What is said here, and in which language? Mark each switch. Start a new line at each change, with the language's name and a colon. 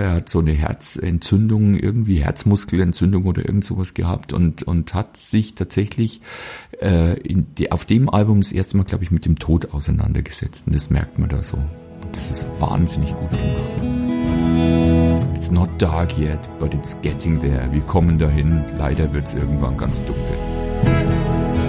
German: Er hat so eine Herzentzündung, irgendwie Herzmuskelentzündung oder irgend sowas gehabt und hat sich tatsächlich auf dem Album das erste Mal, glaube ich, mit dem Tod auseinandergesetzt. Und das merkt man da so. Und das ist wahnsinnig gut gemacht.
English: It's not dark yet, but it's getting there.
German: Wir kommen dahin. Leider wird's irgendwann ganz dunkel.